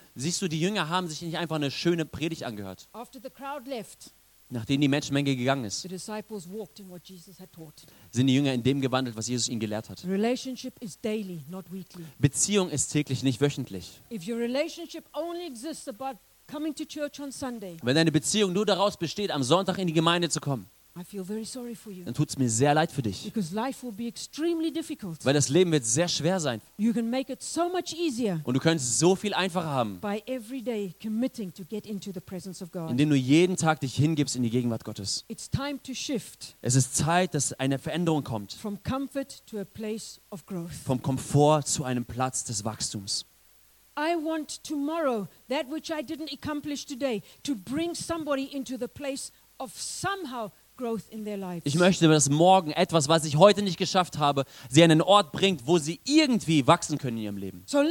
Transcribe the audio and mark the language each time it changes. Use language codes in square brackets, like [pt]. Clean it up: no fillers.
[de] Siehst du, die Jünger haben sich nicht einfach eine schöne Predigt angehört. [en] After the crowd left, [de] nachdem die Menschenmenge gegangen ist, [en] the disciples walked in what Jesus had taught. [de] Sind die Jünger in dem gewandelt, was Jesus ihnen gelehrt hat. [en] Relationship is daily, not weekly. [de] Beziehung ist täglich, nicht wöchentlich. [en] If your relationship only exists about coming to church on Sunday, [de] wenn deine Beziehung nur daraus besteht, am Sonntag in die Gemeinde zu kommen, [en] I feel very sorry for you. [de] Dann tut es mir sehr leid für dich. [en] Because life will be extremely difficult. [de] Weil das Leben wird sehr schwer sein. [en] You can make it so much easier. [de] Und du könntest so viel einfacher haben. [en] By every day committing to get into the presence of God. [de] Indem du jeden Tag dich hingibst in die Gegenwart Gottes. [en] It's time to shift. [de] Es ist Zeit, dass eine Veränderung kommt. [en] From comfort to a place of growth. [de] Vom Komfort zu einem Platz des Wachstums. [en] I want tomorrow that which I didn't accomplish today to bring somebody into the place of somehow [de] Ich möchte, dass morgen etwas, was ich heute nicht geschafft habe, sie an einen Ort bringt, wo sie irgendwie wachsen können in ihrem Leben.